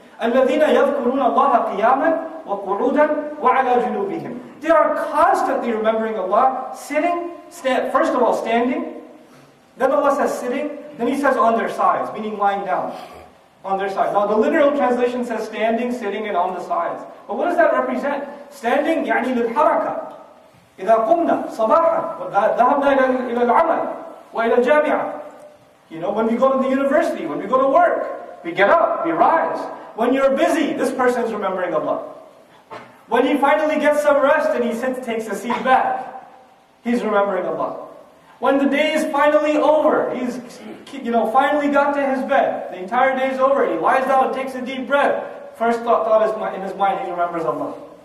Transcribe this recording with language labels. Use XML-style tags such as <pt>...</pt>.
<ar>الَّذِينَ يَذْكُرُونَ اللَّهَ قِيَامًا وَقُعُودًا وَعَلَى جُنُوبِهِمْ.</ar> <en>They are constantly remembering Allah, sitting, standing, then Allah says sitting, then He says on their sides, meaning lying down, on their sides. Now the literal translation says standing, sitting, and on the sides. But what does that represent? Standing,</en> <ar>يعني للحركة. إذا قمنا صباحا ذهبنا إلى العمل وإلى الجامعة.</ar> <en>You know, when we go to the university, when we go to work, we get up, we rise. When you're busy, this person is remembering Allah. When he finally gets some rest and he sits, takes a seat back, he's remembering Allah. When the day is finally over, he's, you know, finally got to his bed, the entire day is over, he lies down and takes a deep breath, first thought is in his mind, he remembers Allah.</en>